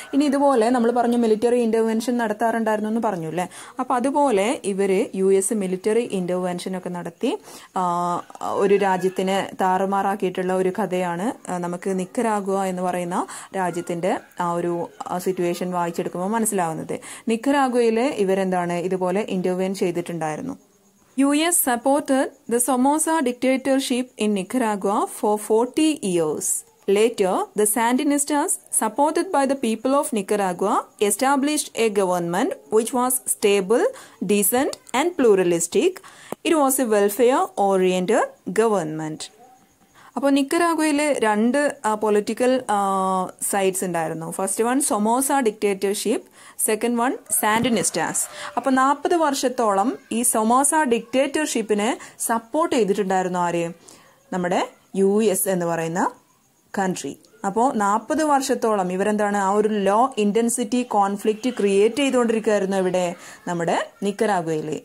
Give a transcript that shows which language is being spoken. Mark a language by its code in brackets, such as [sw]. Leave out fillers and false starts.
[ml] ഇനി ഇതുപോലെ നമ്മൾ പറഞ്ഞു മിലിറ്ററി ഇന്റർവെൻഷൻ നടത്താറുണ്ടായിരുന്നു എന്ന് പറഞ്ഞല്ലേ, അപ്പൊ അതുപോലെ ഇവര് യു എസ് മിലിറ്ററി ഇന്റർവെൻഷൻ ഒക്കെ നടത്തി ഒരു രാജ്യത്തിന് താറുമാറാക്കിയിട്ടുള്ള ഒരു കഥയാണ് നമുക്ക് നിക്കരാഗ്വ എന്ന് പറയുന്ന രാജ്യത്തിന്റെ ആ ഒരു സിറ്റുവേഷൻ വായിച്ചെടുക്കുമ്പോൾ മനസ്സിലാവുന്നത്. നിക്കരാഗ്വയില് ഇവരെന്താണ് ഇതുപോലെ ഇന്റർവെൻ ചെയ്തിട്ടുണ്ടായിരുന്നു. [en] US supported the Somoza dictatorship in Nicaragua for 40 years. Later, the Sandinistas, supported by the people of Nicaragua, established a government which was stable, decent, and pluralistic. It was a welfare-oriented government. [ml] അപ്പോൾ നിക്കരാഗ്വയില് രണ്ട് political sides ഉണ്ടായിരുന്നു. [en] First one Somoza dictatorship, second one Sandinistas. [ml] അപ്പോൾ 40 വർഷത്തോളം ഈ സൊമോസ ഡിക്റ്റേറ്റർഷിപ്പിനെ support ചെയ്തിട്ടുണ്ടായിരുന്നു ആര്? നമ്മുടെ U S എന്ന് പറയുന്ന കൺട്രി. അപ്പോൾ 40 വർഷത്തോളം ഇവരെന്താണ് ആ ഒരു ലോ ഇന്റൻസിറ്റി കോൺഫ്ലിക്റ്റ് ക്രിയേറ്റ് ചെയ്തുകൊണ്ടിരിക്കുകയായിരുന്നു ഇവിടെ നമ്മുടെ നിക്കരാഗ്വയിൽ.